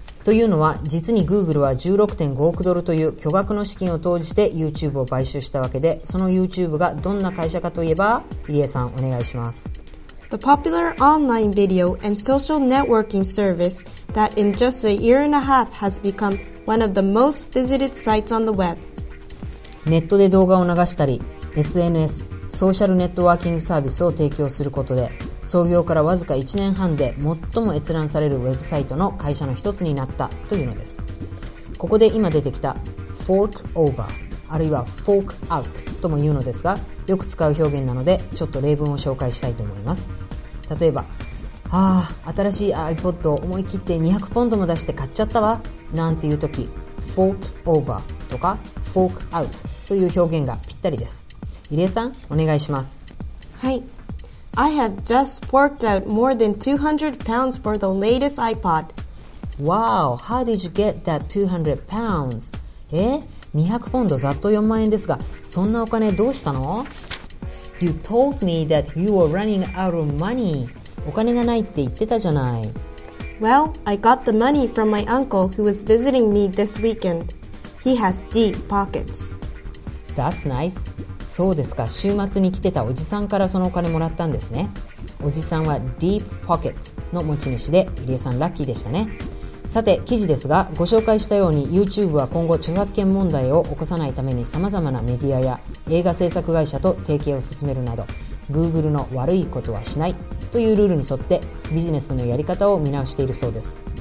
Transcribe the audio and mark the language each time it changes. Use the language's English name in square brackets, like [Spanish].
[Japanese] というのは、実に Google は 16.5 億ドルという巨額の資金を投じて YouTube を買収したわけで、その YouTube がどんな会社かといえば、イエさんお願いします。 [English] The popular online video and social networking service that in just a year and a half has become one of the most visited sites on the web。 [Japanese] ネットで動画を流したり、 SNS、 ソーシャルネットワーキングサービスを提供することで、創業からわずか1年半で最も閲覧されるウェブサイトの会社の一つになったというのです。ここで今出てきた fork over、 あるいは fork out とも言うのですが、よく使う表現なので、ちょっと例文を紹介したいと思います。例えば、ああ、新しい iPod を思い切って200ポンドも出して買っちゃったわ、なんていう時、fork over とか fork out という表現がぴったりです。入江さん、お願いします。はい。 [English] I have just forked out more than 200 pounds for the latest iPod. Wow, how did you get that 200 pounds? [Japanese] ?200 ポンド、ざっと4万円ですが、そんなお金どうしたの？ [English] You told me that you were running out of money. [Japanese] お金がないって言ってたじゃない。 [English] Well, I got the money from my uncle who was visiting me this weekend. He has deep pockets. That's nice. [Japanese] そうですか、週末に来てたおじさんからそのお金もらったんですね。おじさんは deep pockets の持ち主で、入江さんラッキーでしたね。さて記事ですが、ご紹介したように YouTube は今後著作権問題を起こさないために、様々なメディアや映画制作会社と提携を進めるなど、 Google の悪いことはしないというルールに沿ってビジネスのやり方を見直しているそうです。